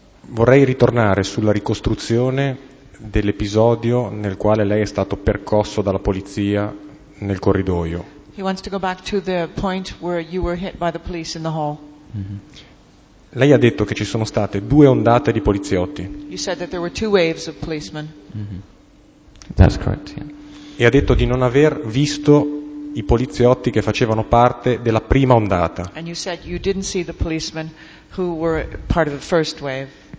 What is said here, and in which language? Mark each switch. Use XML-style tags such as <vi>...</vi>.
<it>Vorrei ritornare sulla ricostruzione dell'episodio nel quale lei è stato percosso dalla polizia nel corridoio.</it> <en>He wants to go back to the point where you were hit by the police in the hall.</en> <it>Lei ha detto che ci sono state due ondate di poliziotti.</it> <en>You said that there were two waves of policemen. That's correct, yeah.</en> <it>E ha detto di non aver visto i poliziotti che facevano parte della prima ondata.</it> <en>And you said you didn't see the policemen who were part of the first wave.</en>